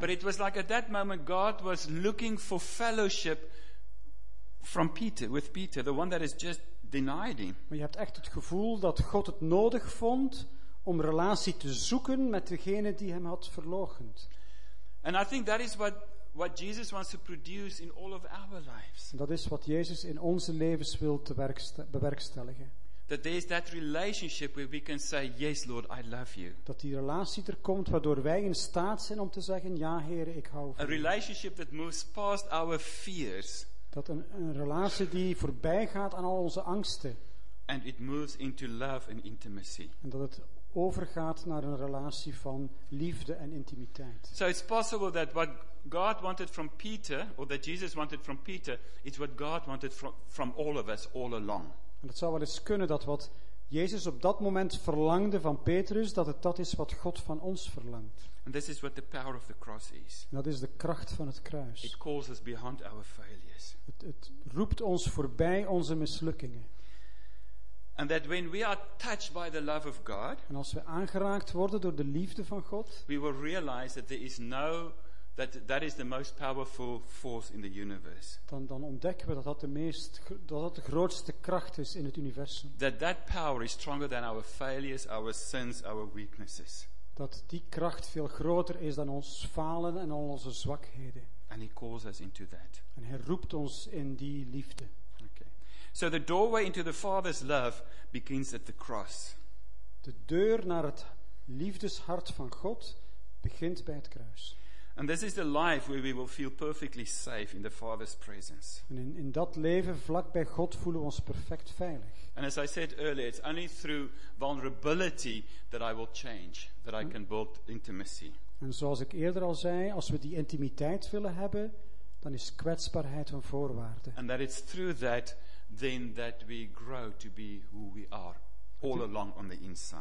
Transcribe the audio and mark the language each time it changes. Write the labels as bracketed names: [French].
[English] But it was like at that moment God was looking for fellowship from Peter, with Peter, the one that has just denied him. [Dutch] Maar je hebt echt het gevoel dat God het nodig vond om relatie te zoeken met degene die hem had verloochend. [English] And I think that is what Jesus wants to produce in all of our lives. [Dutch] En dat is wat Jezus in onze levens wil bewerkstelligen. [English] That there is that relationship where we can say, yes Lord, I love you. [Dutch] Dat die relatie er komt waardoor wij in staat zijn om te zeggen, ja Heere, ik hou van [English] u. A relationship that moves past our fears. [Dutch] Dat een relatie die voorbij gaat aan al onze angsten. [English] And it moves into love and intimacy. [Dutch] En dat het overgaat naar een relatie van liefde en intimiteit. [English] So it's possible that what God wanted from Peter, or that Jesus wanted from Peter, is what God wanted from all of us all along. [Dutch] En het zou wel eens kunnen dat wat Jezus op dat moment verlangde van Petrus, dat het dat is wat God van ons verlangt. [English] And this is what the power of the cross is. [Dutch] En dat is de kracht van het kruis. [English] It calls us behind our failures. [Dutch] Het roept ons voorbij onze mislukkingen. [English] And that when we are touched by the love of God, [Dutch] en als we aangeraakt worden door de liefde van God, [English] we will realize that there is no that is the most powerful force in the universe. [Dutch] Dan ontdekken we dat de grootste kracht is in het universum. [English] That power is stronger than our failures, our sins, our weaknesses. [Dutch] Dat die kracht veel groter is dan ons falen en al onze zwakheden. [English] And he calls us into that. [Dutch] En hij roept ons in die liefde. Okay. [English] So the doorway into the Father's love begins at the cross. [Dutch] De deur naar het liefdeshart van God begint bij het kruis. [English] And this is the life where we will feel perfectly safe in the Father's presence. [Dutch] En in dat leven vlak bij God voelen we ons perfect veilig. [English] And as I said earlier, it's only through vulnerability that I will change, that I can build intimacy. [Dutch] En zoals ik eerder al zei, als we die intimiteit willen hebben, dan is kwetsbaarheid een voorwaarde. [English] And that it's through that then that we grow to be who we are all along on the inside.